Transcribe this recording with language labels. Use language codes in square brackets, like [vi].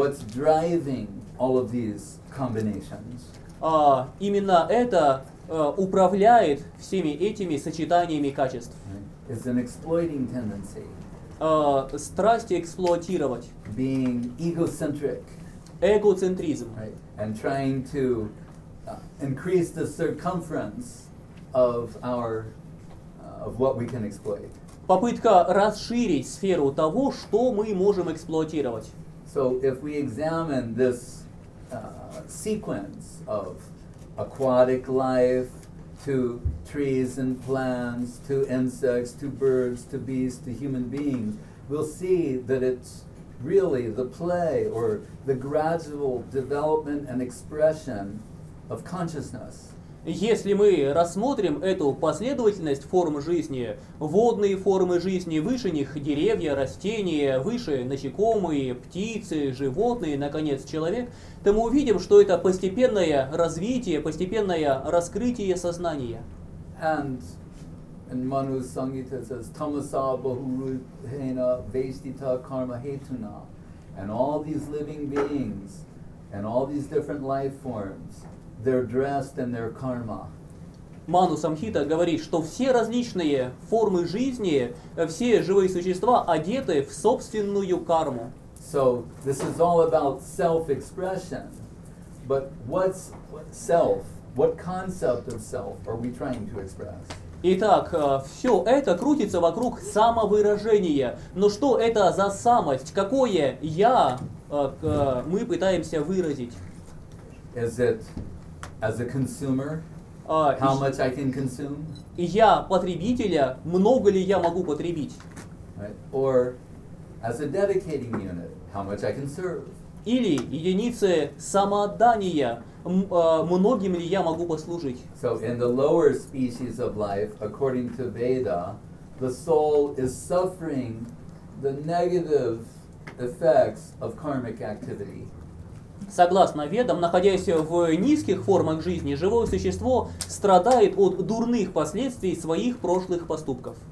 [en] And what's driving all of these combinations? [ru] Именно это управляет всеми этими сочетаниями качеств. [en] It's an exploiting tendency. [ru] Страсть эксплуатировать. [en] Being egocentric. [ru] Эгоцентризм. [en] Right. And trying to increase the circumference of our of what we can exploit. [ru] Попытка расширить сферу того, что мы можем эксплуатировать. [en] So if we examine this sequence of aquatic life to trees and plants to insects to birds to beasts to human beings, we'll see that it's really the play or the gradual development and expression of consciousness. [ru] Если мы рассмотрим эту последовательность форм жизни, водные формы жизни, выше них деревья, растения, выше насекомые, птицы, животные, наконец, человек, то мы увидим, что это постепенное развитие, постепенное раскрытие сознания. [en] And in Manu's Sangita it says, [sa] Tamasa bahuruhena vaishtita karma hetuna. [en] And all these living beings and all these different life forms, they're dressed in their karma. [ru] Ману Самхита говорит, что все различные формы жизни, все живые существа одеты в собственную карму. [en] So this is all about self-expression. But what's self? What concept of self are we trying to express? [ru] Итак, все это крутится вокруг самовыражения. Но что это за самость? Какое я мы пытаемся выразить? [en] Is it as a consumer, how much I can consume? [ru] Я потребителя, много ли я могу потребить? [en] Right. Or as a dedicating unit, how much I can serve? [ru] Или единицы самоотдания, многим ли я могу послужить? [en] So in the lower species of life, according to Veda, the soul is suffering the negative effects of karmic activity. [ru] Согласно ведам, находясь в низких формах жизни, живое существо страдает от дурных последствий своих прошлых поступков.